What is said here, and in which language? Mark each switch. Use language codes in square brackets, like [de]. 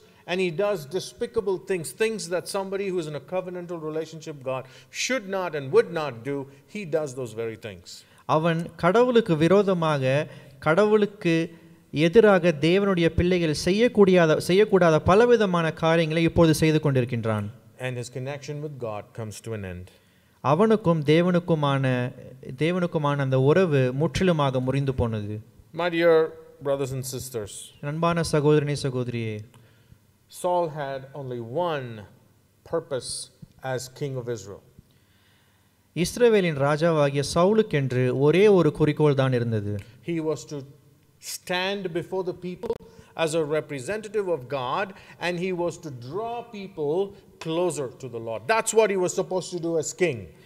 [en] And he does despicable things, things that somebody who is in a covenantal relationship with God should not and would not do. He does those very things. [ta] அவன் கடவுளுக்கு விரோதமாக கடவுளுக்கு எதிராக தேவனுடைய பிள்ளைகள் செய்யக்கூடாத பலவிதமான காரியங்களை இப்பொழுது செய்து கொண்டிருக்கின்றான். [en] And his connection with God comes to an end. [ta] அவனுக்கும் தேவனுக்குமான அந்த உறவு முற்றிலுமாக முறிந்து போனது. [en] My dear brothers and sisters, [ta] நண்பான சகோதரனே சகோதரியே, [en] Saul had only one purpose as king of Israel. [ta] இஸ்ரவேலின் ராஜாவாகிய சவுலுக்கென்று ஒரே ஒரு குறிக்கோள் தான் இருந்தது. [en] He was to stand before the people as a representative of God, and he was to draw people closer to the Lord. That's what he was supposed to do as king.